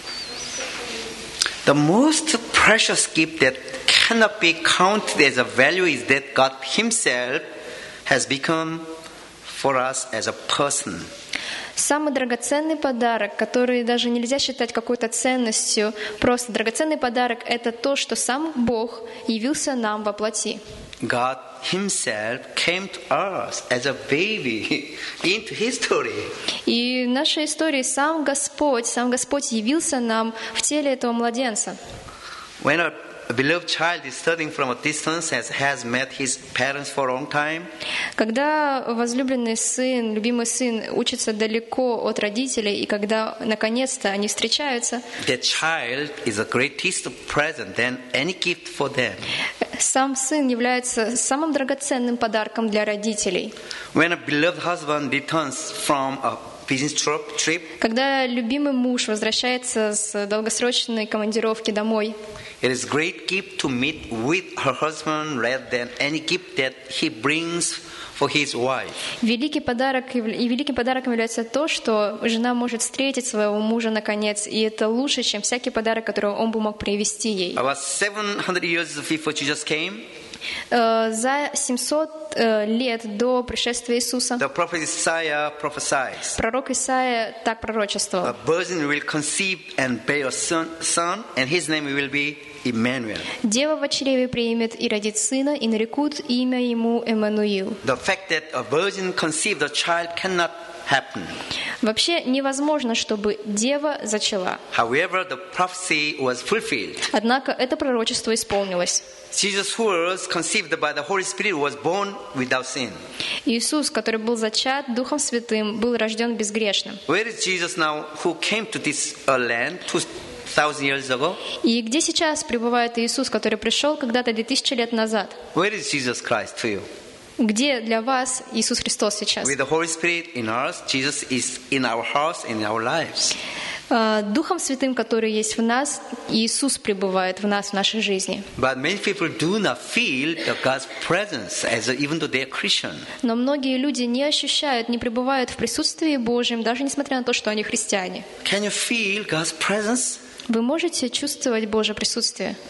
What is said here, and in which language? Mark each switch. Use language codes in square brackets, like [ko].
[ru] Аминь. [en] The most precious gift that cannot be counted as a value is that God Himself has become for us as a person. [ru] Самый драгоценный подарок, который даже нельзя считать какой-то ценностью, просто драгоценный подарок — это то, что сам Бог явился нам во плоти. [en] God Himself came to us as a baby into history. [ru] И в нашей истории сам Господь явился нам в теле этого младенца. [en] When a beloved child is studying from a distance and has met his parents for a long time. [ru] Когда возлюбленный сын, любимый сын учится далеко от родителей и когда наконец-то они встречаются. [en] The child is the greatest present than any gift for them. [ru] Сам сын является самым драгоценным подарком для родителей. [en] When a beloved husband returns from a business trip. [ru] Когда любимый муж возвращается с долгосрочной командировки домой. [en] It is a great gift to meet with her husband rather than any gift that he brings for his wife. [ru] Великим подарком является то, что жена может встретить своего мужа наконец, и это лучше, чем всякий подарок, который он бы мог привезти ей. [en] About 700 years before Jesus came. [ru] За 700 лет до пришествия Иисуса пророк Исаия так пророчествовал. [en] A virgin will conceive and bear a son, and his name will be Emmanuel. [ru] Дева в чреве примет и родит сына, и нарекут имя ему Эммануил. [en] The fact that a virgin conceived a child cannot happen. [ru] Вообще невозможно, чтобы дева зачала. [en] However, the prophecy was fulfilled. [ru] Однако это пророчество исполнилось. [en] Jesus, who was conceived by the Holy Spirit, was born without sin. [ru] Иисус, который был зачат Духом Святым, был рожден безгрешным. [en] Where is Jesus now, who came to this land to thousand years ago? [ru] И где сейчас пребывает Иисус, который пришел когда-то 2000 лет назад? [en] Where is Jesus Christ to you? [ru] Где для вас Иисус Христос сейчас? [en] With the Holy Spirit in us, Jesus is in our hearts, in our lives. [ru] Духом Святым, который есть в нас, Иисус пребывает в нас, в нашей жизни. [en] But many people do not feel God's presence, as even though they are Christian. [ru] Но многие люди не ощущают, не пребывают в присутствии Божьем, даже несмотря на то, что они христиане. [en] Can you feel God's presence? [ru] Вы можете чувствовать Божье присутствие?